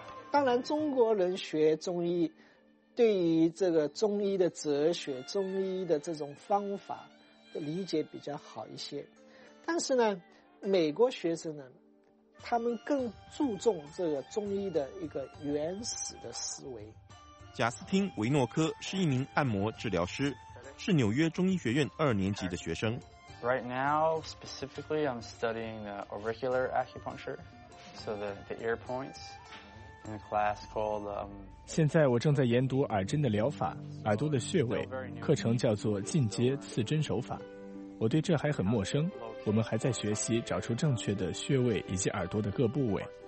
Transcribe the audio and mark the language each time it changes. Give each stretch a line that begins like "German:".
Chinese: 当然中国人学中医，对于这个中医的哲学、中医的这种方法的理解比较好一些，但是呢美国学生呢，他们更注重这个中医的一个原始的思维。贾斯汀·维诺科是一名按摩治疗师，是纽约中医学院二年级的学生。
English: Right now, specifically, I'm studying the auricular acupuncture, so the ear points, in a class called.
Chinese: 现在我正在研读耳针的疗法，耳朵的穴位，课程叫做进阶刺针手法。我对这还很陌生，我们还在学习找出正确的穴位以及耳朵的各部位。